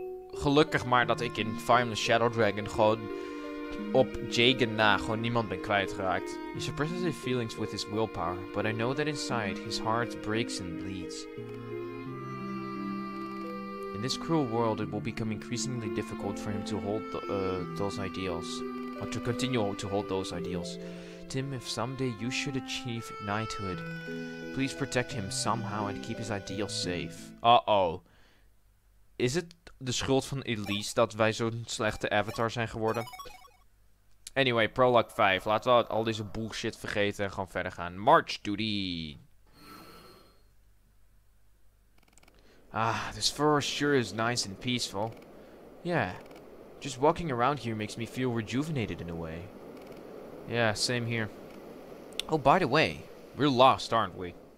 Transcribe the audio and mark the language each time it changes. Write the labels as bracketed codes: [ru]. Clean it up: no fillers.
[nl] Gelukkig maar dat ik in Fire Emblem Shadow Dragon gewoon op Jagen na gewoon niemand ben kwijtgeraakt. [en] He suppresses his feelings with his willpower, but I know that inside his heart breaks and bleeds. In this cruel world, it will become increasingly difficult for him to hold those ideals. Or to continue to hold those ideals. Tim, if someday you should achieve knighthood, please protect him somehow and keep his ideals safe. Uh-oh. Is it the [nl] schuld van Elise dat wij zo'n slechte avatar zijn geworden? Anyway, Prologue 5. Laten we al deze bullshit vergeten en gewoon verder gaan. [en] March duty! Ah, this forest sure is nice and peaceful. Yeah. Just walking around here makes me feel rejuvenated in a way. Yeah, same here. Oh, by the way, we're lost, aren't we?